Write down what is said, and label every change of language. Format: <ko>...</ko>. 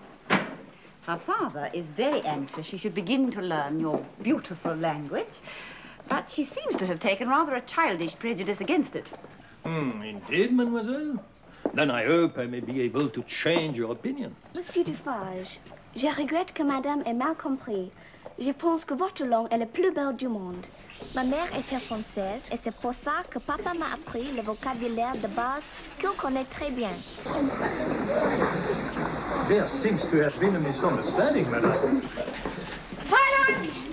<en>Her father is very anxious she should begin to learn your beautiful language, but she seems to have taken rather a childish prejudice against it. Indeed, mademoiselle. Then I hope I may be able to change your opinion.</en> <fr>Monsieur Dufarge, je regrette que madame ait mal compris. Je pense que votre langue est la plus belle du monde. Ma mère était française et c'est pour ça que papa m'a appris le vocabulaire de base qu'il connaît très bien.</fr> <en>There seems to have been a misunderstanding, madame. Silence!</en>